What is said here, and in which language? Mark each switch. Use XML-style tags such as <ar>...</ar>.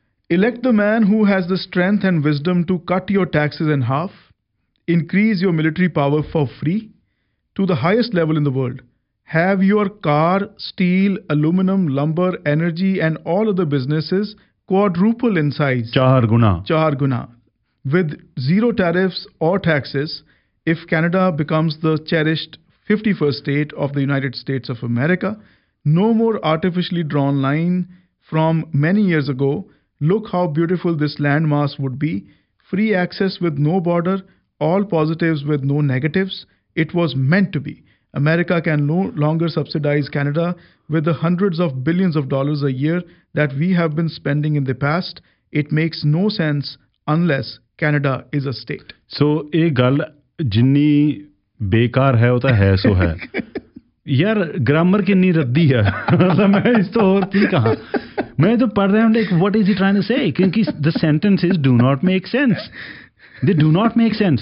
<en>elect the man who has the strength and wisdom to cut your taxes in half, increase your military power for free to the highest level in the world, have your car, steel, aluminum, lumber, energy and all other businesses quadruple in size,</en> <pa>ਚਾਰ ਗੁਣਾ</pa> <en>with zero tariffs or taxes if Canada becomes the cherished 51st state of the United States of America, no more artificially drawn line from many years ago, look how beautiful this landmass would be, free access with no border, all positives with no negatives, it was meant to be. America can no longer subsidize Canada with the hundreds of billions of dollars a year that we have been spending in the past, it makes no sense unless Canada is a state.</en> <pa>So, ਇਹ ਗੱਲ ਜਿੰਨੀ ਬੇਕਾਰ ਹੈ ਉਹ ਤਾਂ ਹੈ ਸੋ ਹੈ ਯਾਰ, ਗ੍ਰਾਮਰ ਕਿੰਨੀ ਰੱਦੀ ਹੈ, ਮੈਂ ਇਸ ਤੋਂ ਹੋਰ ਕੀ ਕਹਾਂ। ਮੈਂ ਜੋ ਪੜ੍ਹ ਰਿਹਾ ਹੁੰਦਾ,</pa> <en>what is he trying to say, ਕਿਉਂਕਿ the sentence is do not make sense, they do not make sense,</en>